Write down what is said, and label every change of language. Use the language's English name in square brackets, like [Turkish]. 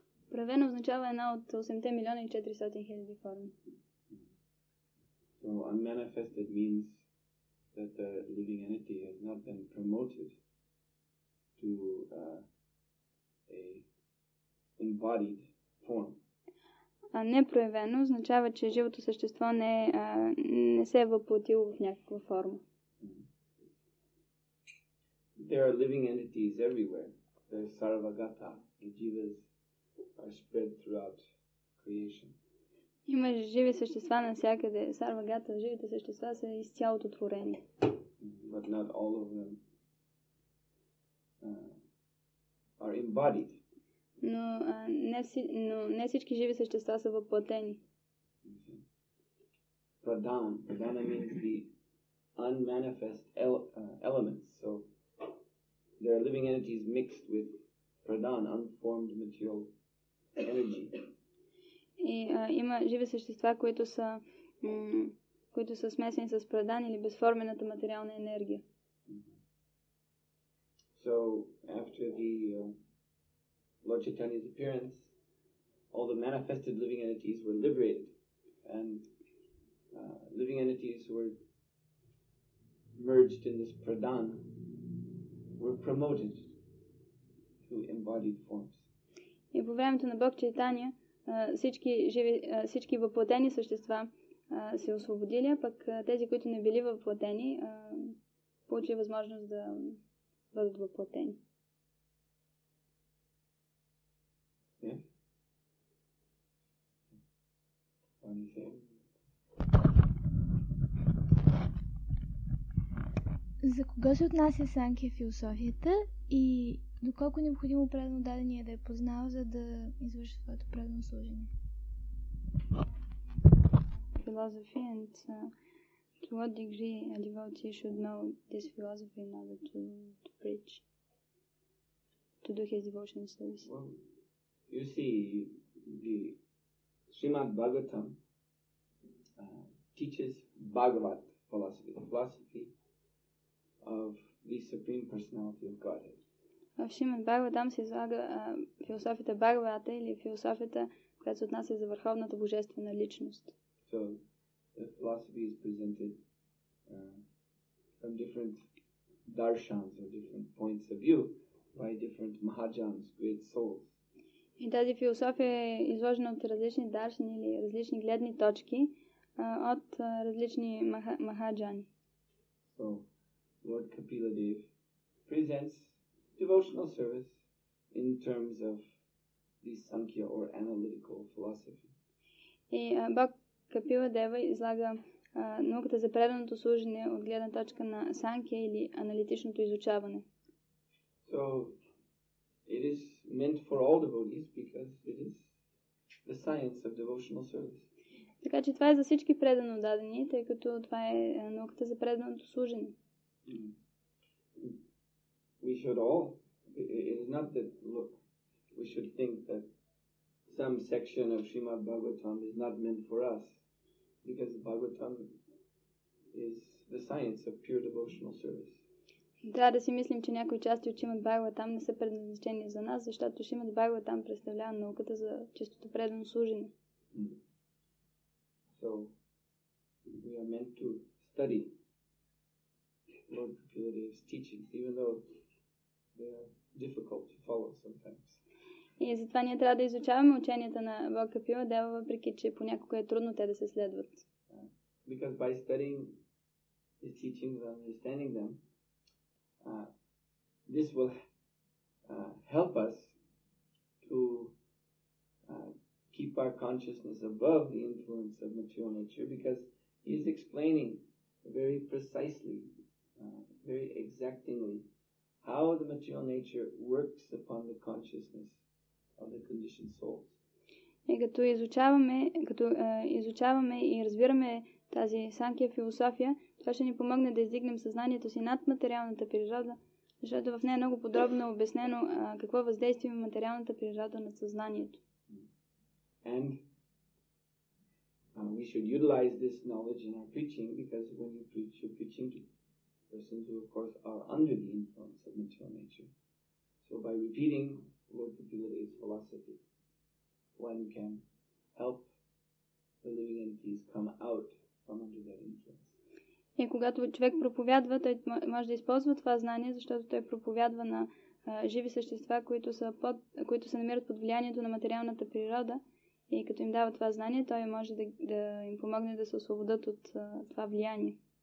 [Bulgarian] Проявено означава една от 8,400,000 форми. [English] So unmanifested means that the living entity has not been promoted to a embodied form. [Bulgarian] непроявено означава, че живото същество не, не се е въплотило в някаква форма. [English] There are living entities everywhere. There's sarvagata. The jivas are spread throughout creation. [Bulgarian] Има живи същества навсякъде. Сарвагата, живите същества са из цялото творение. [English] But not all of them are embodied. [Bulgarian] Но, не си, но не всички живи същества са въплътени. [English] Pradhan. Pradhan means the unmanifest elements. So there are living entities mixed with pradhan, unformed material energy. [Bulgarian] И има живи същества, които са, които са смесени с прадан или безформената материална енергия. [English] So after the Lord Chaitanya's appearance, all the manifested living entities were liberated, and living entities were merged in this pradhan, were promoted to embodied forms. [Bulgarian] И по времето на Бог Чайтания, всички живи, всички въплътени същества се освободили, а пък тези, които не били въплътени, получили възможност да бъдат въплътени. За кога се отнася Санкхя философията и доколко е необходимо правилно дадения да я познава, за да извърши своето правилно служение? [English] Philosophy and to what degree a devotee should know this philosophy in order to preach, to do his devotional service? Well, you see, the Srimad Bhagavatam teaches Bhagavat philosophy, the philosophy of the Supreme Personality of Godhead. [Bulgarian] В Шримад Бхагаватам се излага философията Бхагавата или философията, която се отнася за върховната божествена личност. [English] So, the philosophy is presented from different darshans or different points of view by different mahajans, great souls. [Bulgarian] И тази философия е изложена от различни даршани или различни гледни точки от различни махаджани. [English] So, Lord Kapila Dev presents devotional service in terms of the Sankhya or analytical philosophy. [Bulgarian] И Бог Капила Дева излага науката за преданото служене от гледна точка на Санкхя или аналитичното изучаване. [English] So it is meant for all devotees because it is the science of devotional service. [Bulgarian] Така че това е за всички предано дадени, тъй като това е науката за преданото служене. [English] We should all, it is not that, look, we should think that some section of Srimad Bhagavatam is not meant for us, because Bhagavatam is the science of pure devotional service. [Bulgarian] Трябва да си мислим, че някои части от Шримад Бхагаватам не са предназначени за нас, защото Шримад Бхагаватам представлява науката за чистото предано служене. [English] So, we are meant to study Lord Kapiladev's teachings, even though they are difficult to follow sometimes. [Bulgarian] И затова ние трябва да изучаваме ученията на Бог Капила Дева, въпреки че понякога е трудно те да се следват. [English] Because by studying his teachings and understanding them, this will help us to keep our consciousness above the influence of material nature, because he is explaining very precisely, very exactingly, how the material nature works upon the consciousness of the conditioned soul. [Bulgarian] И като изучаваме, като изучаваме и разбираме тази Санкхя философия, това ще ни помогне да издигнем съзнанието си над материалната природа, защото в нея много подробно е обяснено какво въздействие има материалната природа над съзнанието. [English] And we should utilize this knowledge in our preaching, because when you preach, you're preaching to persons who, of course, are under the influence of material nature. So by repeating Lord Kapila's philosophy, one can help the living entities come out from under that influence. [Bulgarian] И когато човек проповядва, той може да използва това знание, защото той проповядва на живи същества, които се намират под влиянието на материалната природа, И като им дава това знание, той може да, да им помогне да се освободят от това влияние.